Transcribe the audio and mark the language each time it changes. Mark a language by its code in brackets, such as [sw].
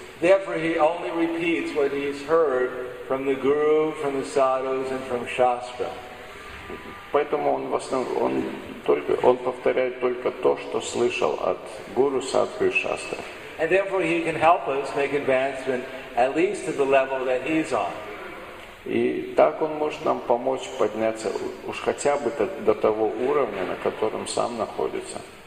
[ru] Поэтому он в основном он повторяет только то, что слышал от гуру, садху и шастры. [en] И therefore he can help us make advancement at least to the level that he's on. [ru] И так он может нам помочь подняться уж хотя бы до того уровня, на котором сам находится.